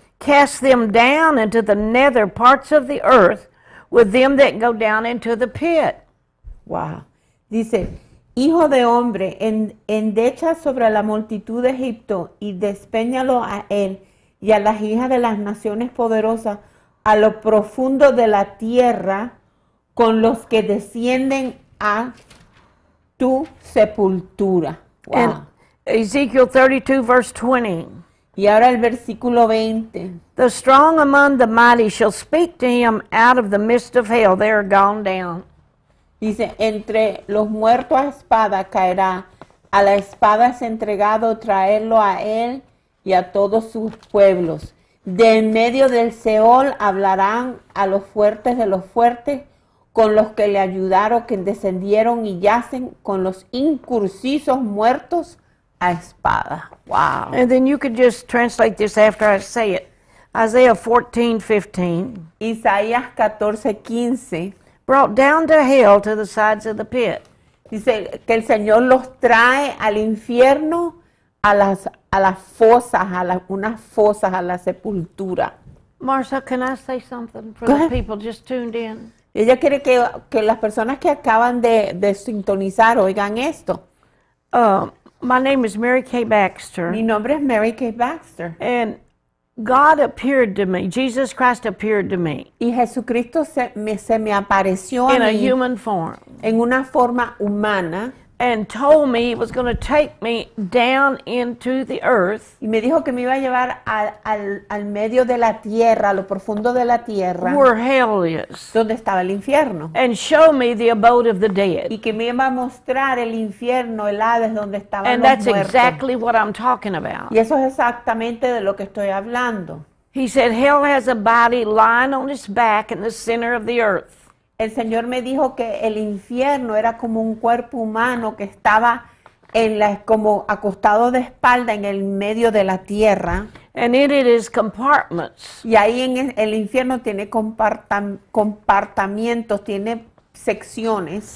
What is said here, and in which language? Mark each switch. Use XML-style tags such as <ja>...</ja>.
<en>cast them down into the nether parts of the earth with them that go down into the pit. Wow.</en> <es>Dice, hijo de hombre, endecha sobre la multitud de Egipto y despéñalo a él y a las hijas de las naciones poderosas a lo profundo de la tierra con los que descienden a tu sepultura.</es> <en>Wow. And Ezekiel 32, verse 20.</en> <es>Y ahora el versículo 20.</es> <en>The strong among the mighty shall speak to him out of the midst of hell. They are gone down.</en> <es>Dice, entre los muertos a espada caerá. A la espada es entregado traerlo a él y a todos sus pueblos. De en medio del Seol hablarán a los fuertes de los fuertes con los que le ayudaron, que descendieron y yacen con los incursizos muertos a espada.</es> <en>Wow. And then you could just translate this after I say it. Isaiah 14, 15.</en> <es>Isaías 14, 15.</es> <en>Brought down to hell to the sides of the pit.</en> <es>Dice que el Señor los trae al infierno, a las fosas, unas fosas, a la sepultura.</es> <en>Marcia, can I say something for the people just tuned in?</en> <es>Ella quiere que las personas que acaban de sintonizar oigan esto.</es> <en>My name is Mary Kay Baxter.</en> <es>Mi nombre es Mary Kay Baxter.</es> <en>And God appeared to me. Jesus Christ appeared to me.</en> <es>Y Jesucristo se me apareció a mí.</es> <en>In a human form.</en> <es>En una forma humana.</es> <en>And told me he was going to take me down into the earth.</en> <es>Y me dijo que me iba a llevar al medio de la tierra, a lo profundo de la tierra.</es> <en>Where hell is.</en> <es>Donde estaba el infierno.</es> <en>And show me the abode of the dead.</en> <es>Y que me iba a mostrar el infierno, el Hades, donde estaban los muertos.</es> <en>And that's exactly what I'm talking about.</en> <es>Y eso es exactamente de lo que estoy hablando.</es> <en>He said hell has a body lying on its back in the center of the earth.</en> <es>El Señor me dijo que el infierno era como un cuerpo humano que estaba en la, como acostado de espalda en el medio de la tierra.</es> <en>And it is compartments.</en> <es>Y ahí en el infierno tiene compartimientos, tiene secciones.</es>